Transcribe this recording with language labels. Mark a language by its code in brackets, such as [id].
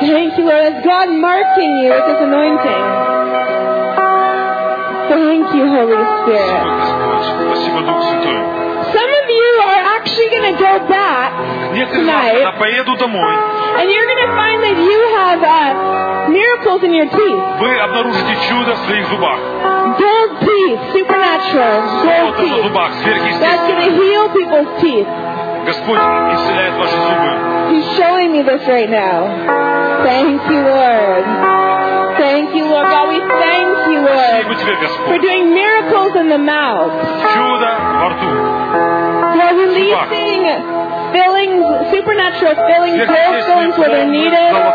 [en] Thank you, Lord. Is God marking you with His anointing? Thank you, Holy Spirit. [ru] Спасибо, Господь. Спасибо, Дух Святой. [en] Some of you are actually going to go back tonight. [ru] Я поеду домой. [en] And you're going to find that you have miracles in your teeth. [ru] Вы обнаружите чудо в своих зубах. [en] Gold teeth, supernatural. Gold teeth. That's going to heal people's teeth. [ru] Господь исцеляет ваши зубы. [en] He's showing me this right now. Thank you, Lord. Thank you, Lord God. We thank you, Lord, for doing miracles in the mouth. [ru] Чудо во рту. [en] For releasing fillings, supernatural fillings, gallstones where they're needed.